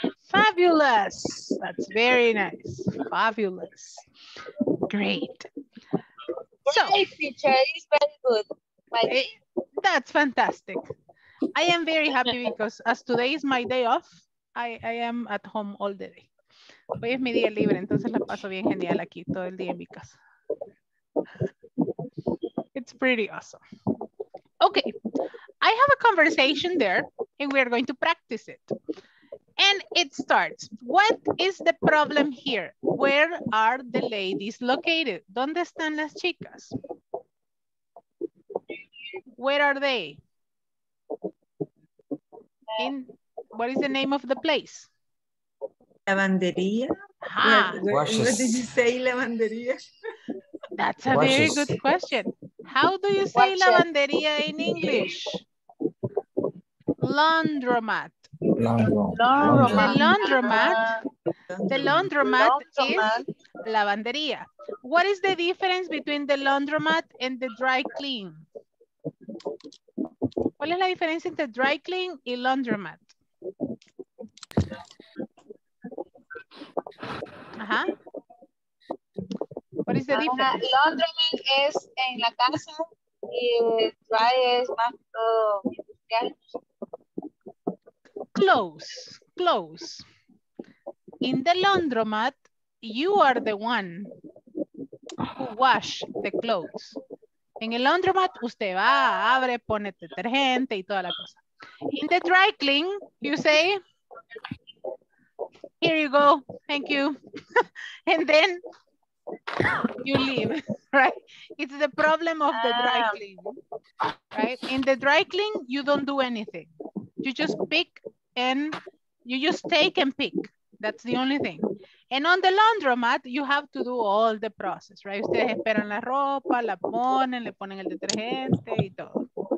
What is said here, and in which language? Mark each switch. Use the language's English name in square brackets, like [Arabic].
[English] Fabulous. That's very nice. Fabulous. Great. So, hey, teacher, it's very good. That's fantastic. I am very happy because as today is my day off, I am at home all the day. [Spanish] Hoy es mi día libre, entonces la paso bien genial aquí todo el día en mi casa. [English] It's pretty awesome. Okay, I have a conversation there and we're going to practice it. And it starts, what is the problem here? Where are the ladies located? [Spanish] ¿Dónde están las chicas? [English] Where are they? In what is the name of the place? Lavandería. What did you say, lavandería? That's a washes. Very good question. How do you say washes. Lavandería in English? Laundromat. Laundromat. Laundromat. The laundromat is lavandería. What is the difference between the laundromat and the dry clean? [Spanish] ¿Cuál es la diferencia entre dry clean y laundromat? Ajá. ¿Cuál es la diferencia? Laundromat es en la casa y dry es más todo. [English] Close, close. In the laundromat, you are the one who wash the clothes. [Spanish] En el laundromat, usted va, abre, pone detergente y toda la cosa. [English] In the dry clean, you say, here you go, thank you. And then you leave, right? It's the problem of the dry clean, right? In the dry clean, you don't do anything. You just pick and you just take and pick. That's the only thing. And on the laundromat, you have to do all the process, right? [Spanish] Ustedes esperan la ropa, la ponen, le ponen el detergente y todo.